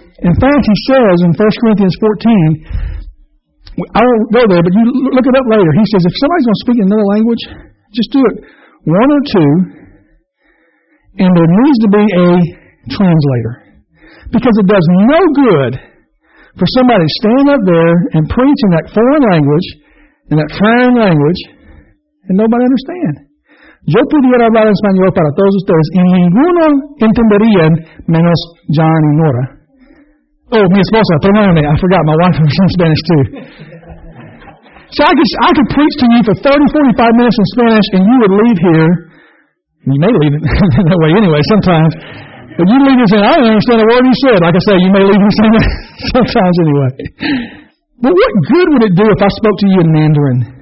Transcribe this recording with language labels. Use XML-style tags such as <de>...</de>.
<en>In fact, he says in 1 Corinthians 14, I won't go there, but you look it up later. He says, if somebody's going to speak in another language, just do it one or two, and there needs to be a translator. Because it does no good for somebody standing up there and preaching that foreign language and that foreign language and nobody understand.</en> <es>Yo pudiera hablar español para todos ustedes y ninguno entendería menos John y Nora.</es> <en>Oh,</en> <es>mi esposa, perdóname,</es> <en>I forgot, my wife is in Spanish too. So I could preach to you for 30, 45 minutes in Spanish and you would leave here. You may leave it that way anyway sometimes. But you leave here saying, I don't understand a word you said. Like I said, you may leave here saying that sometimes anyway. But what good would it do if I spoke to you in Mandarin?</en>